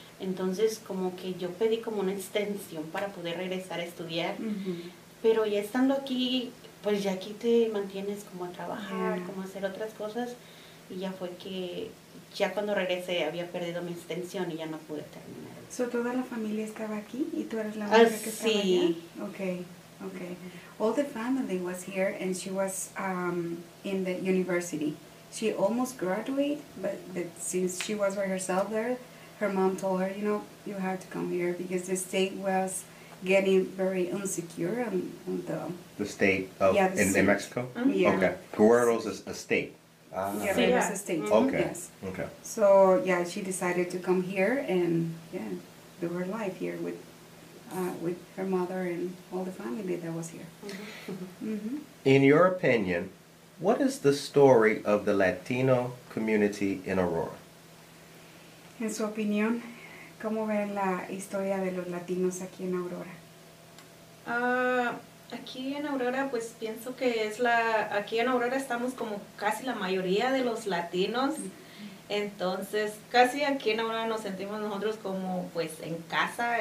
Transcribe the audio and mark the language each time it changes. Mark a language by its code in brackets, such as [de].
[es] Entonces, como que yo pedí como una extensión para poder regresar a estudiar. Pero ya estando aquí, pues ya aquí te mantienes como a trabajar, como a hacer otras cosas. Y ya fue que ya cuando regresé había perdido mi extensión y ya no pude terminar. ¿So toda la familia estaba aquí y tú eres la única que estaba allá? Sí. [en] Okay. All the family was here and she was in the university. She almost graduated, but since she was by herself there, her mom told her, you know, you have to come here because the state was getting very insecure. The state of in Mexico? Mm-hmm. Yeah. Okay. Guerrero's a state. Yeah, it was a state. Mm-hmm. Okay. Yes. Okay. So, yeah, she decided to come here and, do her life here with her mother and all the family that was here. In your opinion, what is the story of the Latino community in Aurora? [es] En su opinión, ¿cómo ven la historia de los latinos aquí en Aurora? Aquí en Aurora, pues pienso que aquí en Aurora estamos como casi la mayoría de los latinos. Entonces, casi aquí en Aurora nos sentimos nosotros como, pues, en casa.